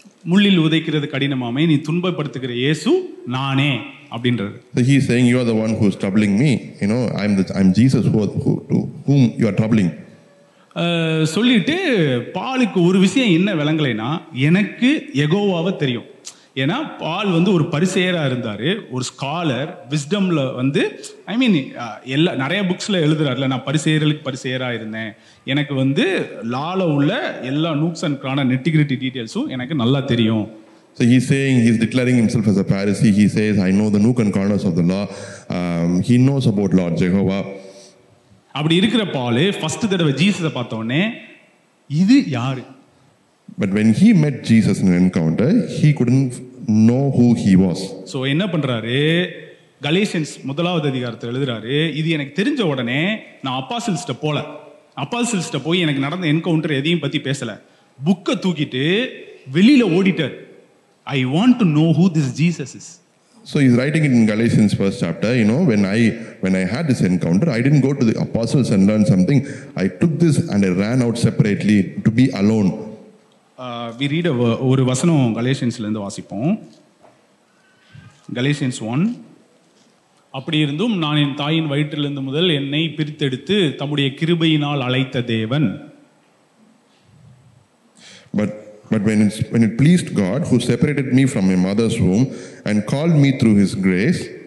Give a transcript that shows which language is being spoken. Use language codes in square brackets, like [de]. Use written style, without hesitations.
[ta] முள்ளில் உதைக்கிறது கடினமாமே நீ துன்பப்படுத்துகிற இயேசு நானே அப்படின்றது. [en] So he is saying you are the one who is troubling me, you know, I'm Jesus to whom you are troubling. [ta] சொல்லிட்டு பாலுக்கு ஒரு விஷயம் என்ன விளங்கலைனா எனக்கு யெகோவாவை தெரியும். ஏன்னா பால் வந்து ஒரு பரிசேயரா இருந்தாரு, ஒரு ஸ்காலர், விஸ்டம்ல வந்து எல்லா நிறைய புக்ஸ்ல எழுதுறாருல, நான் பரிசேயர்களுக்கு பரிசேயரா இருந்தேன், எனக்கு வந்து லால உள்ள எல்லா [en] nooks and crannies nitty gritty டீடைல்ஸும் [ta] எனக்கு நல்லா தெரியும். [en] So he's saying, he's declaring himself as a Pharisee. He says, I know the nook and corners of the law. He knows about Lord Jehovah. [ta] அப்படி இருக்கிற பாலு ஃபர்ஸ்ட் தடவை ஜீசஸை பார்த்த உடனே இது யாரு? [en] But when he met Jesus in an encounter, he couldn't know who he was. [ta] So என்ன பண்றாரு? கலேசியன்ஸ் முதலாவது அதிகாரத்தில் எழுதுறாரு, இது எனக்கு தெரிஞ்ச உடனே நான் அப்பாஸ்டில்ஸ்ட போல, அப்பாஸ்டில்ஸ்ட போய் எனக்கு நடந்த என்கவுண்டர் எதையும் பத்தி பேசல, புக்கை தூக்கிட்டு வெளியில ஓடிட்டார். [en] I want to know who this Jesus is. So he's writing it in Galatians first chapter, you know, when I had this encounter, I didn't go to the apostles and learn something. I took this and I ran out separately to be alone. We read a [ta] ஒரு வசனம் Galatians ல இருந்து வாசிப்போம். Galatians 1. அப்படி இருந்தும் நான் என் தாயின் வயிற்றிலிருந்து முதல் என்னை பிரித்தெடுத்து தம்முடைய கிருபையினால் அழைத்த தேவன். [en] But when it pleased God who separated me from my mother's womb and called me through his grace.